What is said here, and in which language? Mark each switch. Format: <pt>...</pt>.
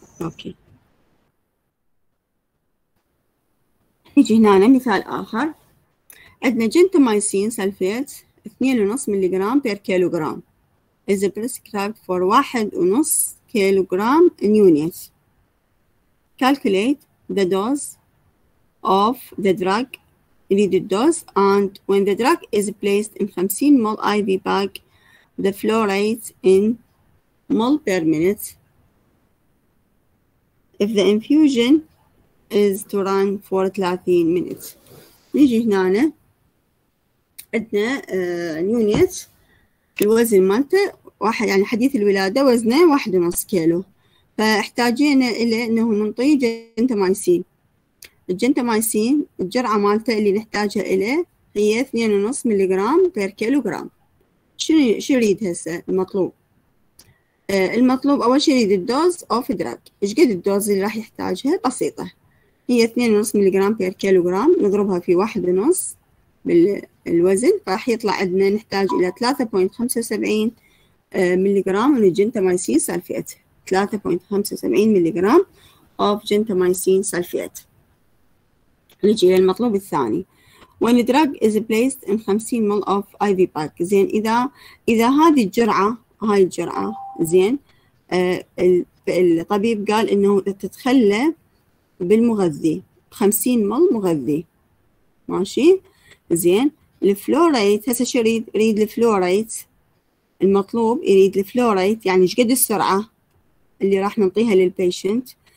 <ar>أوكي نيجي هنا مثال آخر.</ar> <en>عندنا gentamicin sulphate 2.5 milligram per kilogram is prescribed for 1.5 kilogram in unit. Calculate the dose of the drug needed dose and when the drug is placed in 50 mol IV bag the flow rate in mol per minute. If the infusion is to run for 30 minutes.</en> <ar>نيجي هنا عندنا يونيت الوزن مالته واحد، يعني حديث الولادة وزنه 1.5 كيلو، فاحتاجينا إلى أنه نعطيه جنتمايسين. الجنتمايسين الجرعة مالته اللي نحتاجها إلى هي 2.5 ملي جرام بير كيلو جرام. شو يريد هسه المطلوب؟ المطلوب أول شيء يريد الدوز أوف دراج. إيش قد الدوز اللي راح يحتاجها؟ بسيطة، هي 2.5 ملي جرام بير كيلو جرام، نضربها في 1.5 بالوزن، فراح يطلع عندنا نحتاج إلى 3.75 ملي جرام من الجنتمايسين سلفيت.</ar> <en>3.75 milligram of gentamicin sulphate.</en> <ar>نجي إلى المطلوب الثاني.</ar> <en>When the drug is placed in 50 مل of IV bag.</en> <ar>زين، إذا هذه الجرعة، هاي الجرعة زين، الطبيب قال إنه تتخلى بالمغذي 50 مل مغذي، ماشي زين. الفلوريت هسه شو يريد؟ يريد الفلوريت المطلوب، يريد الفلوريت يعني ايش قد السرعة اللي راح نعطيها للبيشنت.</ar>